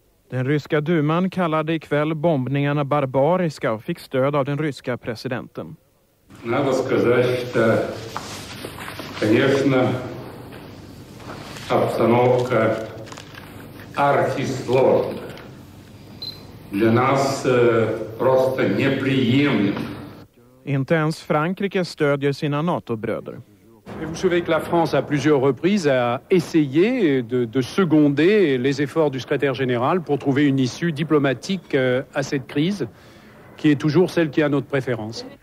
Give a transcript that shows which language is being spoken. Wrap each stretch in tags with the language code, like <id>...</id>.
<sv>Den ryska duman kallade ikväll bombningarna barbariska och fick stöd av den ryska presidenten.</sv> <ru>Надо сказать, что, конечно, обстановка архисложная. Для нас просто неприемлема.</ru> <sv>Inte ens Frankrike stödjer sina NATO-bröder.</sv> <fr>Et vous savez que la France à plusieurs reprises a essayé de seconder les efforts du secrétaire général pour trouver une issue diplomatique à cette crise qui est toujours celle qui a notre préférence.</fr>